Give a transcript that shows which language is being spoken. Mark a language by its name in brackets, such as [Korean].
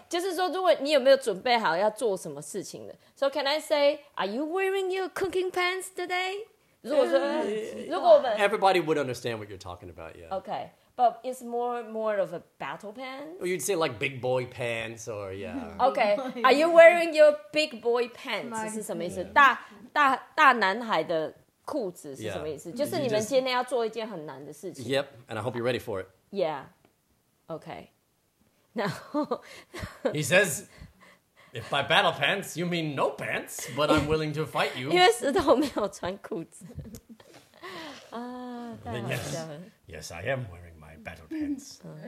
[Chinese] 就是说如果你有没有准备好要做什么事情的。 [English] So can I say, are you wearing your cooking pants today? [Chinese] 如果我们 [English] Everybody would understand what you're talking about, yeah. OK. But it's more of a battle pants? Or you'd say like big boy pants or yeah. Okay, are you wearing your big boy pants? [Chinese] 是什么意思？ [English] Yeah. [Chinese] 大男孩的裤子是什么意思？ [English] Yeah. [Chinese] 就是你们今天要做一件很难的事情。 [English] Yep, and I hope you're ready for it. Yeah, okay. Now, he says, if by battle pants you mean no pants, but I'm willing to fight you. [Chinese] 因为石头没有穿裤子。 [English] Yes, yes, I am wearing my battle pants.